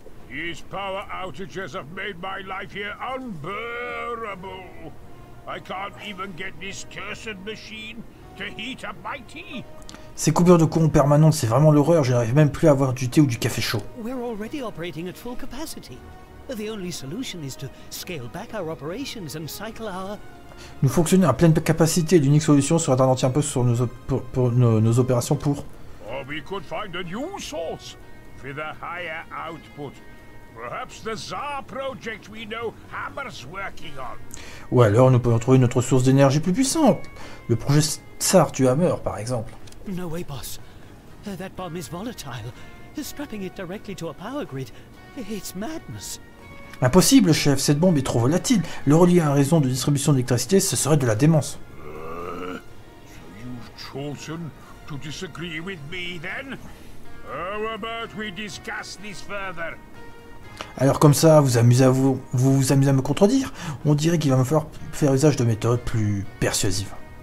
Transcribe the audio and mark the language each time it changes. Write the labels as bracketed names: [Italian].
[English] His power outages have made my life here unbearable. I can't even get this cursed machine to heat up my tea. [French] Ces coupures de courant permanentes, c'est vraiment l'horreur. J'arrive même plus à avoir du thé ou du café chaud. [English] We're already operating at full capacity. The only solution is to scale back our operations and cycle our... [French] Nous fonctionnons à pleine capacité, l'unique solution serait d'en entier un peu sur nos opérations pour... [English] Or we could find a new source for the higher output. Perhaps the Tsar project we know Hammer's working on. [French] Ou alors nous pouvons trouver une autre source d'énergie plus puissante. Le projet Tsar tue Hammer, par exemple. [English] No way, boss. That bomb is volatile. Strapping it directly to a power grid, it's madness. [French] Impossible, chef, cette bombe est trop volatile. Le relier à un réseau de distribution d'électricité, ce serait de la démence. [English] So you've chosen to disagree with me, then? How about we discuss this further? [French] Alors comme ça, vous vous amusez à me contredire? On dirait qu'il va me falloir faire usage de méthodes plus persuasives.